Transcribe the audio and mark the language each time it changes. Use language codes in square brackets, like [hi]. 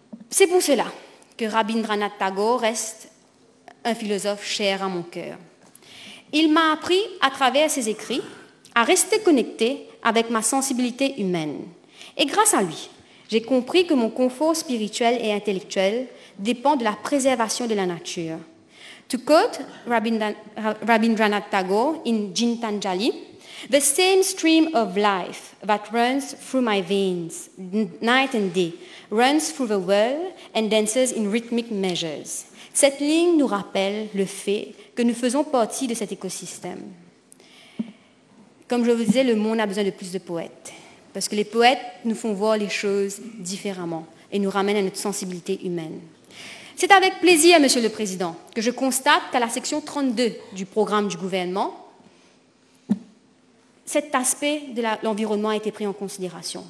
[fr] C'est pour cela que Rabindranath Tagore reste un philosophe cher à mon cœur. Il m'a appris à travers ses écrits à rester connecté avec ma sensibilité humaine. Et grâce à lui, j'ai compris que mon confort spirituel et intellectuel dépend de la préservation de la nature. [en] To quote Rabindranath Tagore in Gitanjali, "The same stream of life that runs through my veins night and day runs through the world and dances in rhythmic measures." [fr] Cette ligne nous rappelle le fait que nous faisons partie de cet écosystème. Comme je vous disais, le monde a besoin de plus de poètes, parce que les poètes nous font voir les choses différemment et nous ramènent à notre sensibilité humaine. C'est avec plaisir, Monsieur le Président, que je constate qu'à la section 32 du programme du gouvernement, cet aspect de l'environnement a été pris en considération.